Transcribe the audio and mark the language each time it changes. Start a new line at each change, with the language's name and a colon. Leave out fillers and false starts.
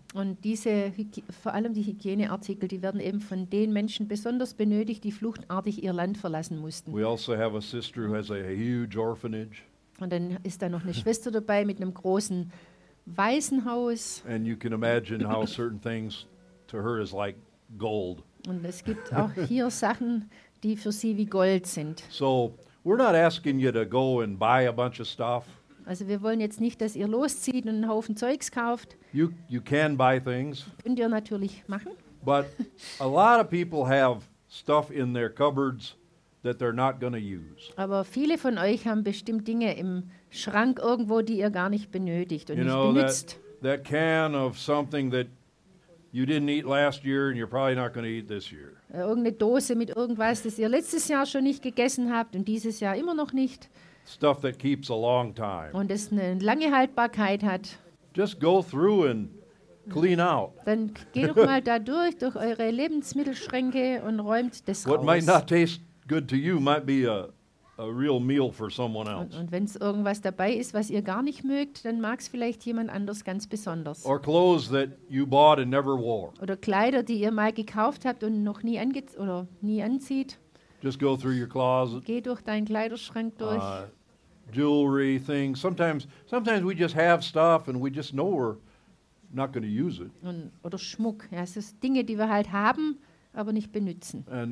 German: Und diese, vor allem die Hygieneartikel, die werden eben von den Menschen besonders benötigt, die fluchtartig ihr Land verlassen mussten.
English: We also have a sister who has a huge orphanage.
German: Und dann ist da noch eine Schwester dabei mit einem großen Waisenhaus.
English: And you can imagine how certain things to her is like gold.
German: Und es gibt auch hier Sachen, die für sie wie Gold sind.
English: So, we're not asking you to go and buy a bunch of stuff.
German: Also wir wollen jetzt nicht, dass ihr loszieht und einen Haufen Zeugs kauft.
English: You can buy things.
German: Könnt ihr natürlich machen.
English: But a lot of people have stuff in their cupboards that they're not going to use.
German: Aber viele von euch haben bestimmt Dinge im Schrank irgendwo, die ihr gar nicht benötigt und
English: you
German: nicht
English: know,
German: benutzt.
English: That can of something that you didn't eat last year and you're probably not going to eat this year.
German: Irgendeine Dose mit irgendwas, das ihr letztes Jahr schon nicht gegessen habt und dieses Jahr immer noch nicht.
English: Stuff that keeps a long time.
German: Und es eine lange Haltbarkeit hat.
English: Just go through and clean out.
German: Dann geht doch mal da durch eure Lebensmittelschränke und räumt das
English: what
German: raus.
English: Might not taste good to you might be a, a real meal for someone else.
German: Und wenn es irgendwas dabei ist, was ihr gar nicht mögt, dann mag es vielleicht jemand anders ganz besonders.
English: Or clothes that you bought and never wore.
German: Oder Kleider, die ihr mal gekauft habt und noch nie nie anzieht.
English: Just go through your closet.
German: Geh durch deinen Kleiderschrank durch.
English: Jewelry, things. Sometimes we just have stuff and we just know we're not going to use it.
German: Oder Schmuck. Ja, es ist Dinge, die wir halt haben, aber nicht benutzen.